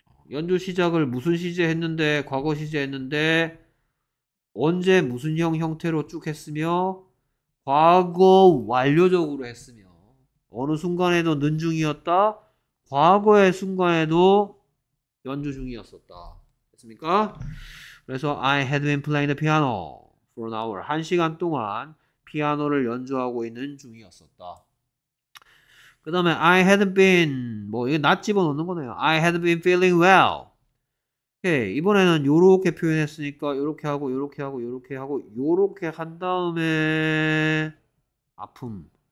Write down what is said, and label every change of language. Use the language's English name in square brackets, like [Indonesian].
[Korean] 연주 시작을 무슨 시제 했는데, 과거 시제 했는데, 언제 무슨 형 형태로 쭉 했으며, 과거 완료적으로 했으며, 어느 순간에도 는 중이었다, 과거의 순간에도 연주 중이었었다. 됐습니까? [English] 그래서 I had been playing the piano for an hour. [Korean] 한 시간 동안 피아노를 연주하고 있는 중이었었다. [English] 그 다음에 I hadn't been 뭐 이거 낮 집어넣는 거네요. I hadn't been feeling well. [Korean] 오케이, 이번에는 요렇게 표현했으니까 요렇게 하고 요렇게 하고 요렇게 하고 요렇게 한 다음에 아픔.